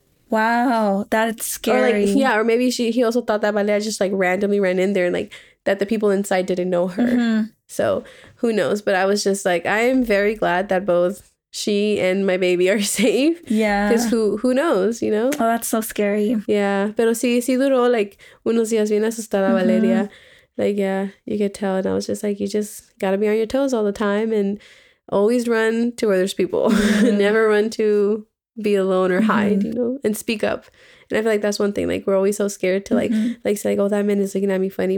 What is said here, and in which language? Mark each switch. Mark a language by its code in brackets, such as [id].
[en] Wow, that's scary. Or like, yeah, or maybe he also thought that Valeria just, like, randomly ran in there and, like, that the people inside didn't know her. Mm-hmm. So who knows? But I was just like, I am very glad that both she and my baby are safe. Yeah. Because who knows, you know? Oh, that's so scary. Yeah. [es] Pero sí duró like unos días bien asustada, mm-hmm. [en] Valeria. Like, yeah, you could tell. And I was just like, you just got to be on your toes all the time and always run to where there's people. Mm-hmm. Never run to be alone or hide, mm-hmm. you know, and speak up. And I feel like that's one thing, like, we're always so scared to like, mm-hmm. like say, like, oh, that man is looking at me funny.